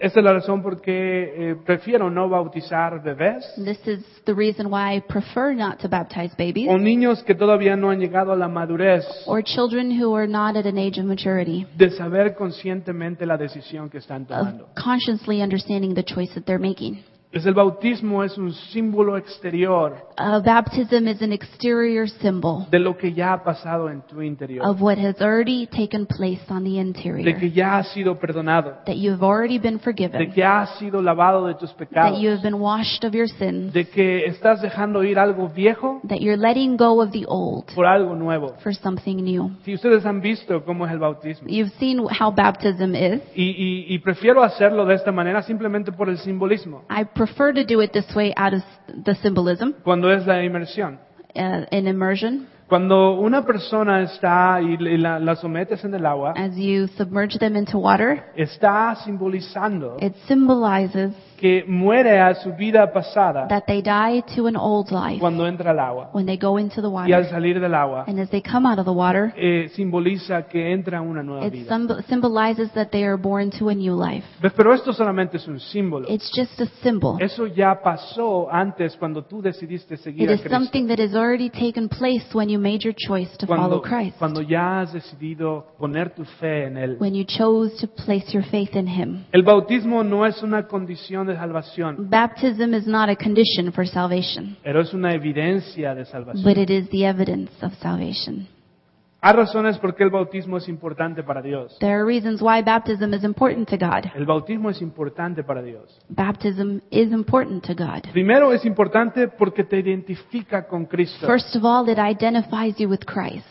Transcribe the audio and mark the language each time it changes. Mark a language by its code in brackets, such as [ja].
[es] Esa es la razón por qué prefiero no bautizar bebés. [en] This is the reason why I prefer not to baptize babies. [es] O niños que todavía no han llegado a la madurez. [en] Or children who are not at an age of maturity. [es] De saber conscientemente la decisión que están tomando. [en] Of consciously understanding the choice that they're making. [es] Es el bautismo es un símbolo exterior. [en] A baptism is an exterior symbol. [es] De lo que ya ha pasado en tu interior. [en] Of what has already taken place on the interior. [es] De que ya has sido perdonado. [en] That you have already been forgiven. [es] De que ya has sido lavado de tus pecados. [en] That you have been washed of your sins. [es] De que estás dejando ir algo viejo. [en] That you're letting go of the old. [es] Por algo nuevo. [en] For something new. [es] Si ustedes han visto cómo es el bautismo. [en] You've seen how baptism is. [es] Y prefiero hacerlo de esta manera simplemente por el simbolismo. [en] Prefer to do it this way out of the symbolism. [es] Cuando es la inmersión. [en] In immersion. [es] Cuando una persona está y la sometes en el agua. [en] As you submerge them into water. [es] Está simbolizando. [en] It symbolizes. [es] que muere a su vida pasada, [en] that they die to an old life [es] cuando entra al agua, [en] when they go into the water, [es] y al salir del agua, [en] and as they come out of the water, [es] simboliza que entra una nueva [en] it [es] vida. [en] Symbolizes that they are born to a new life. [es] Pero esto solamente es un símbolo. [en] It's just a symbol. [es] Eso ya pasó antes cuando tú decidiste seguir a Cristo. [en] It is something that has already taken place when you made your choice to follow Christ. [es] Cuando ya has decidido poner tu fe en Él. [en] When you chose to place your faith in Him. [es] El bautismo no es una condición de salvación. [en] Baptism is not a condition for salvation. [es] Pero es una evidencia de salvación. [en] But it is the evidence of salvation. [es] Hay razones por qué el bautismo es importante para Dios. [en] There are reasons why baptism is important to God. [es] El bautismo es importante para Dios. [en] Baptism is important to God. [es] Primero, es importante porque te identifica con Cristo. [en] First of all, it identifies you with Christ.